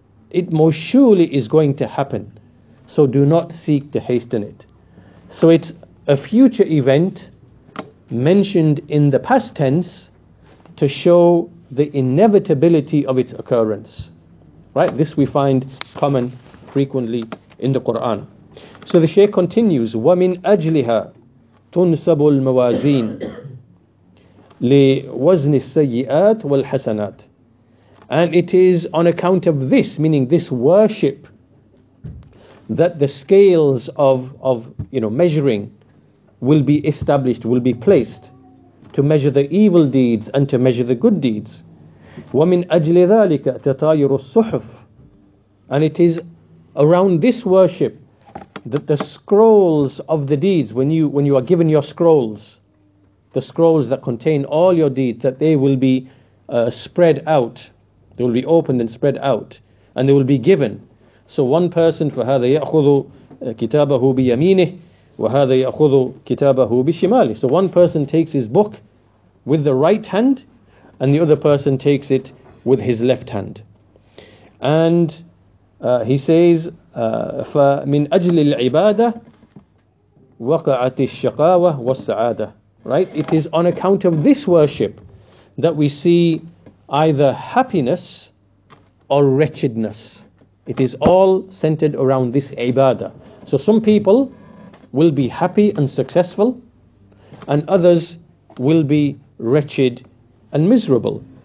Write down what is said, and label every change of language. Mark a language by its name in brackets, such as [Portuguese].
[English] It most surely is going to happen. So do not seek to hasten it. So it's a future event mentioned in the past tense to show the inevitability of its occurrence. Right? This we find common frequently in the Quran. So the Shaykh continues, [Arabic] وَمِنْ أَجْلِهَا تُنْسَبُ الْمَوَازِينَ لِوَزْنِ السَّيِّئَاتِ وَالْحَسَنَاتِ. [English] And it is on account of this, meaning this worship, that the scales of measuring will be established, will be placed to measure the evil deeds and to measure the good deeds. [Arabic] وَمِنْ أَجْلِ ذَلِكَ تَطَايِرُ الصُّحُفِ. [English] And it is around this worship that the scrolls of the deeds, when you are given your scrolls, the scrolls that contain all your deeds, that they will be spread out, they will be opened and spread out, and they will be given. So one person, [Arabic] فَهَذَا يَأْخُذُ كِتَابَهُ بِيَمِينِهِ وَهَذَا يَأْخُذُ كِتَابَهُ بِشِمَالِهِ. [English] So one person takes his book with the right hand, and the other person takes it with his left hand. And he says, [Arabic] فَمِنْ أَجْلِ الْعِبَادَةِ وَقَعَتِ الشَّقَاوَةِ وَالسَّعَادَةِ. [English] Right? It is on account of this worship that we see either happiness or wretchedness. It is all centered around this ibadah. So some people will be happy and successful, and others will be wretched and miserable.